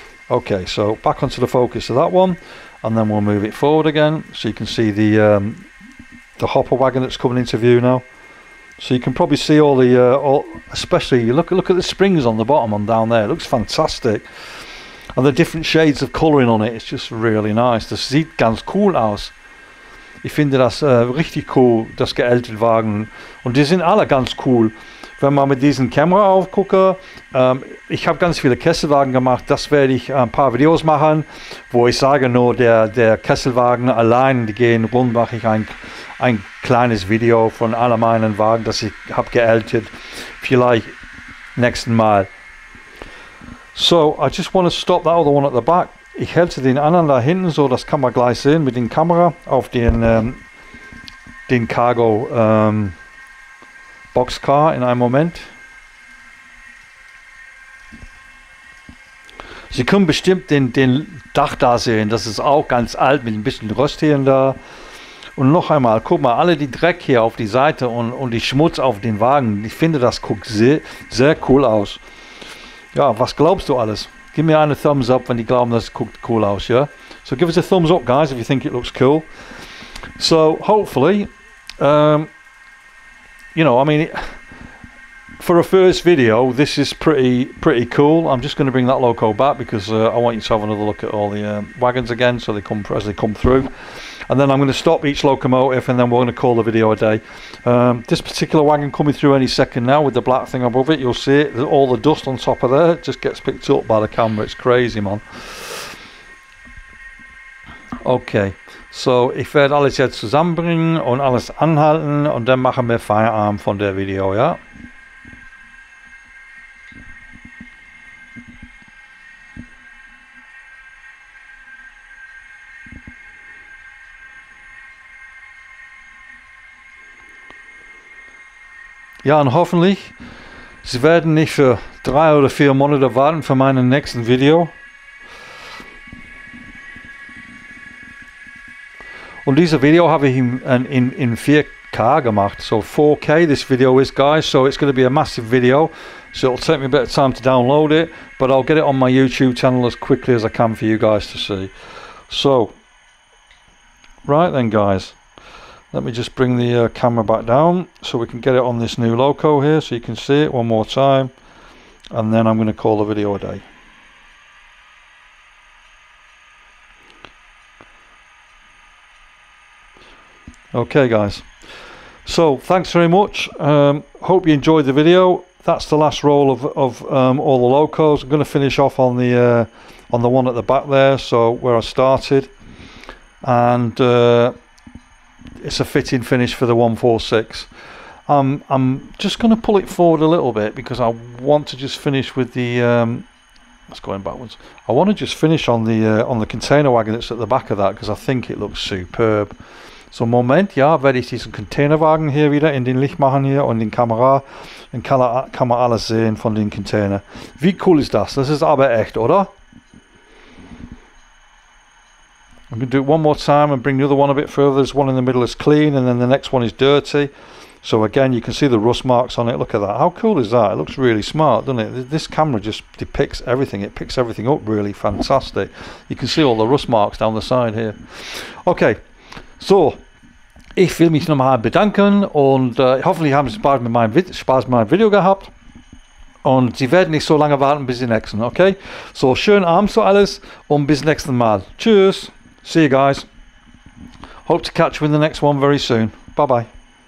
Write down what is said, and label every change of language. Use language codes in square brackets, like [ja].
[en] Okay, so back onto the focus of that one, and then we'll move it forward again so you can see the hopper wagon that's coming into view now. So you can probably see all the especially look at the springs on the bottom and down there. It looks fantastic, and the different shades of colouring on it, it's just really nice. [de] Das sieht ganz cool aus. Ich finde das richtig cool, das geältete Wagen. Und die sind alle ganz cool. Wenn man mit diesen Kamera aufgucke, ich habe ganz viele Kesselwagen gemacht. Das werde ich ein paar Videos machen, wo ich sage, nur der Kesselwagen allein, die gehen rund, mache ich ein kleines Video von all meinen Wagen, das ich habe geältet. Vielleicht nächsten Mal. [en] So, I just want to stop that other one at the back. [de] Ich hätte den anderen da hinten, so das kann man gleich sehen mit den Kamera, auf den Cargo Boxcar in einem Moment. Sie können bestimmt den Dach da sehen, das ist auch ganz alt mit ein bisschen Rost hier und da. Und noch einmal, guck mal, alle die Dreck hier auf die Seite und die Schmutz auf den Wagen, ich finde das guckt sehr, sehr cool aus. Ja, was glaubst du alles? Give me a thumbs up when you glauben das guckt cool aus, yeah? [en] So give us a thumbs up, guys, if you think it looks cool. So hopefully, you know, I mean, for a first video, this is pretty cool. I'm just going to bring that loco back because I want you to have another look at all the wagons again, so they come as they come through. And then I'm going to stop each locomotive, and then we're going to call the video a day. This particular wagon coming through any second now with the black thing above it, you'll see it. All the dust on top of there just gets picked up by the camera. It's crazy, man. [de] Okay, so ich werde alles jetzt zusammenbringen und alles anhalten und dann machen wir Feierabend von der Video, ja? Ja, und hoffentlich, Sie werden nicht für 3 oder 4 Monate warten für meinen nächsten Video. Und dieses Video habe ich in 4K gemacht. [en] So 4K this video is, guys. So it's going to be a massive video. So it'll take me a bit of time to download it. But I'll get it on my YouTube channel as quickly as I can for you guys to see. So, right then, guys. Let me just bring the camera back down so we can get it on this new loco here so you can see it one more time. And then I'm going to call the video a day. Okay, guys. So thanks very much. Hope you enjoyed the video. That's the last roll of all the locos. I'm going to finish off on the one at the back there, so where I started. And it's a fitting finish for the 146. I'm just going to pull it forward a little bit because I want to just finish with the that's going backwards. I want to just finish on the container wagon that's at the back of that because I think it looks superb. [de] So Moment, ja, werde ich diesen Containerwagen hier wieder in den Licht machen hier und in Kamera. Dann kann man alles sehen von den Container. Wie cool ist das? Das ist aber echt, oder? [en] I'm going to do it one more time and bring the other one a bit further. This one in the middle is clean and then the next one is dirty. So again, you can see the rust marks on it. Look at that. How cool is that? It looks really smart, doesn't it? This camera just depicts everything. It picks everything up really fantastic. You can see all the rust marks down the side here. Okay. [de] So, ich will mich nochmal bedanken und hoffentlich haben Sie Spaß mit meinem Video gehabt. Und Sie werden nicht so lange warten bis die nächsten, okay? So, schönen Abend so alles und bis nächsten Mal. [en] Tschüss. See you guys. Hope to catch you in the next one very soon. Bye bye.